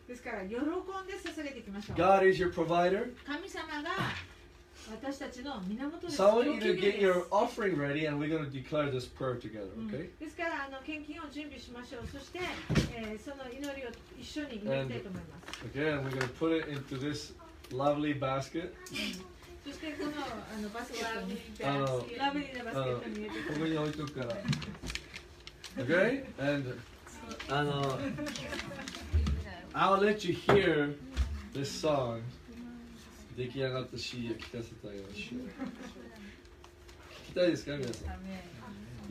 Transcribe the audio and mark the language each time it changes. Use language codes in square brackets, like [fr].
[ja] ですから喜んで捧げていきましょう。 [en] God is your provider. [ja] 神様が私たちの源です。 [en] So I want you to get your offering ready and we're going to declare this prayer together, okay?、 [ja] ですから献金を準備しましょう。そして、その祈りを一緒に祈りたいと思います。 [en] Okay, and we're going to put it into this lovely basket. [ja] そしてこの、バスケットに、ラブリーなバスケットに入れてここに置いとくから。 [en] Okay? And, I'll let you hear this song. [ja] 出来上がった CD を聴かせてあげましょう。聴きたいですか皆さん。